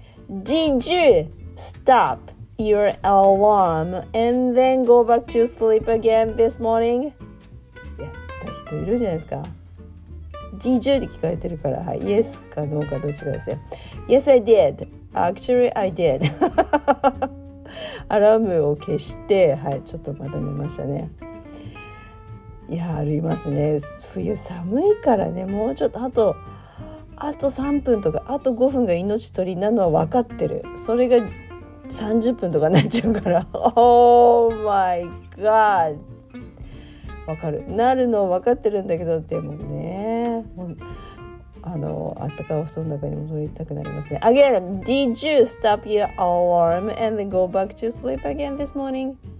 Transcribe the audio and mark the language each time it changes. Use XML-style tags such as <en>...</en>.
<en>Did you stop your alarm and then go back to sleep again this morning?</en> <ja>やった人いるじゃないですか。 Did you って聞かれてるから、はい、Yes かどうかどっちかですね。</ja> <en>Yes I did. Actually I did.</en> <ja>アラームを消して、はい、ちょっとまた寝ましたね。いや、ありますね。冬寒いからね、もうちょっとあと3分とかあと5分が命取りなのは分かってる。それが30分とかなっちゃうから、</ja> <en>Oh my God、</en> <ja>わかる。なるの分かってるんだけど、でもね、もうあったかいお布団の中に戻りたくなりますね。</ja> <en>Again, did you stop your alarm and then go back to sleep again this morning?</en>